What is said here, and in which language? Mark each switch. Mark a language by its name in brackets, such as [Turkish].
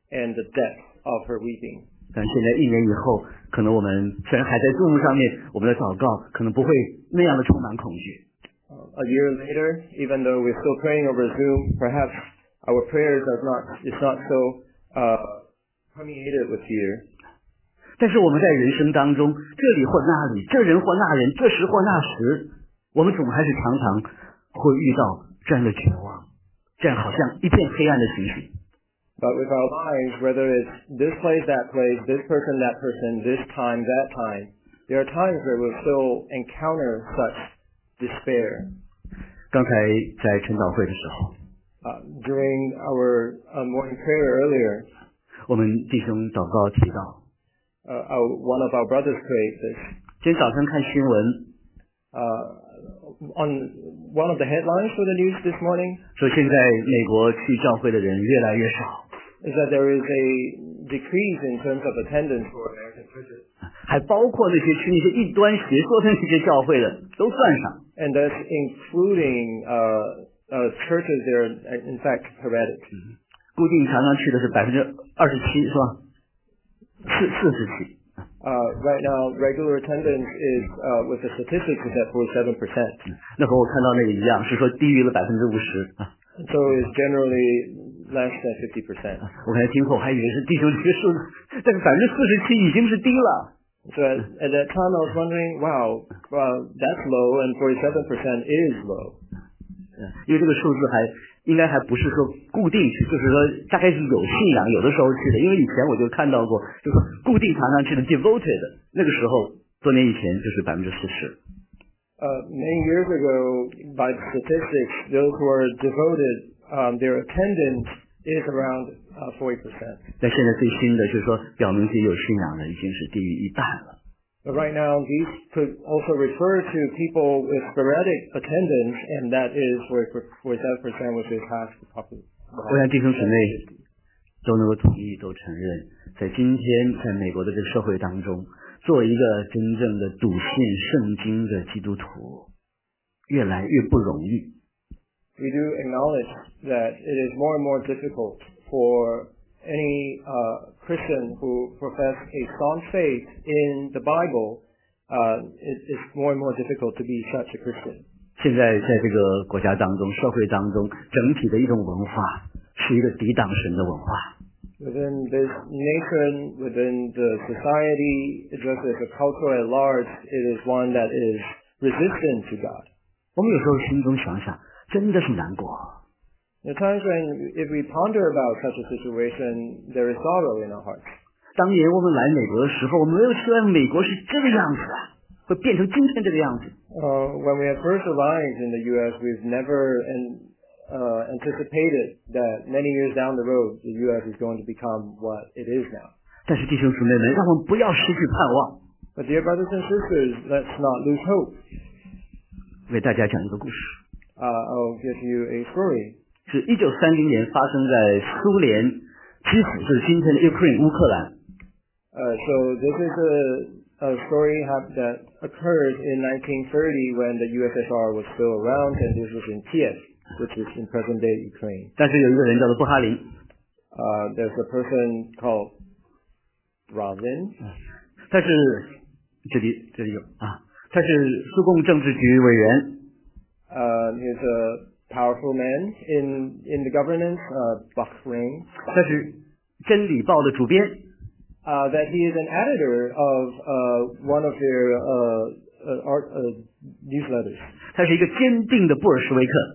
[English] And the depth of her weeping. [Chinese] 但现在一年以后，可能我们虽然还在Zoom上面，我们的祷告可能不会那样的充满恐惧。 [English] A year later, even though we're still praying over Zoom, perhaps our prayers are not, it's not so, permeated with fear. [Chinese] 但是我们在人生当中，这里或那里，这人或那人，这时或那时，我们总还是常常会遇到这样的绝望，这样好像一片黑暗的情形。 [English] But with our lives, whether it's this place, that person, this time, that time, there are times where we'll still encounter such despair. [Chinese] 刚才在晨祷会的时候 [English] during our morning prayer earlier, [Chinese] 我们弟兄祷告提到 [English] one of our brothers prayed this. [Chinese] 今天早上看新闻 [English] on one of the headlines for the news this morning, [Chinese] 说现在美国去教会的人越来越少。 [English] Is that there is a decrease in terms of attendance for American churches. [Chinese] 还包括那些去那些异端邪说的那些教会的都算上。 [English] And that's including, churches that are in fact heretic. [Chinese] 固定常常去的是 27% 是吧？47%。 [English] Right now, regular attendance is, with the statistics is at 47%. [Chinese] 那和我看到那个一样，是说低于了 50%。 [English] So it's generally less than 50%. [Chinese] 我刚才听后还以为是弟兄这个数，但是47%已经是低了。 [English] So at that time, I was wondering, wow, well, that's low, and 47% is low. [Chinese] 因为这个数字还应该还不是说固定，就是说大概是有信仰，有的时候去的。因为以前我就看到过，就是固定常常去的 devoted， 那个时候多年以前就是 40%。 [English] Many years ago, by statistics, those who are devoted, their attendance is around 40%. [Chinese] 但现在最新的就是说，表明自己有信仰的已经是低于一半了。 [English] But right now, these could also refer to people with sporadic attendance, and that is where 47%, which is half the population. [Chinese] 我想弟兄姊妹都能够同意，都承认，在今天在美国的这个社会当中。做一个真正的笃信圣经的基督徒越来越不容易。 [English] We do acknowledge that it is more and more difficult for any Christian who profess a strong faith in the Bible, it is more and more difficult to be such a Christian. [Chinese] 现在在这个国家当中社会当中整体的一种文化是一个抵挡神的文化。 [English] Within this nation, within the society, just as a culture at large, it is one that is resistant to God. [Chinese] 我们有时候心中想想，真的是难过。 [English] At times when, if we ponder about such a situation, there is sorrow in our hearts. [Chinese] 当年我们来美国的时候，我们没有期望美国是这个样子啊，会变成今天这个样子。 [English] When we have first arrived in the U.S., we've never andanticipated that many years down the road, the U.S. is going to become what it is now. [Chinese] 但是弟兄姊妹们，让我们不要失去盼望。 [English] But dear brothers and sisters, let's not lose hope. [Chinese] 为大家讲一个故事。 [English] I'll give you a story. [Chinese] 是1930年发生在苏联，基辅是今天的 Ukraine 乌克兰。 [English] So this is a story that occurred in 1930 when the USSR was still around, and this was in Kiev. Which is in present-day Ukraine. [Chinese] 但是有一个人叫做布哈林。 [English] There's a person called Robin. [Chinese] 他是这里有啊，他是苏共政治局委员。 [English] He's a powerful man in the governance. Bakhrin. [Chinese] 他是真理报的主编。 [English] That he is an editor of one of their newsletters. [Chinese] 他是一个坚定的布尔什维克。